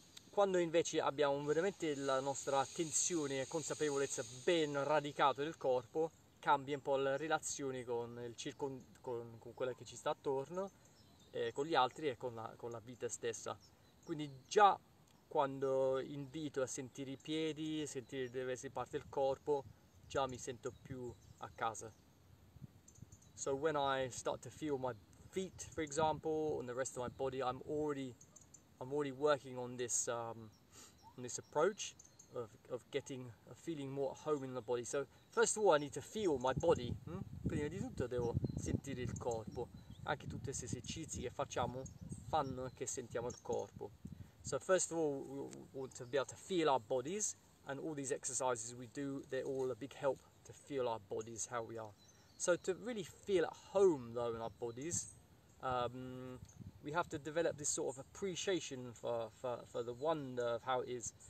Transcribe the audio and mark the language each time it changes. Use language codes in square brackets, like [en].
[it] Quando invece abbiamo veramente la nostra attenzione e consapevolezza ben radicato nel corpo, cambia un po' la relazione con il con quella che ci sta attorno, con gli altri e con la vita stessa. Quindi già quando invito a sentire i piedi, a sentire diverse parti del corpo, già mi sento più a casa. [en] So when I start to feel my feet, for example, and the rest of my body, I'm already working on this approach of getting of feeling more at home in the body. So first of all, I need to feel my body. [it] Prima di tutto devo sentire il corpo. Anche tutti questi esercizi che facciamo fanno che sentiamo il corpo. [en] So first of all, we want to be able to feel our bodies, and all these exercises we do, they're all a big help to feel our bodies, how we are. So to really feel at home though in our bodies, we have to develop this sort of appreciation for the wonder of how it is.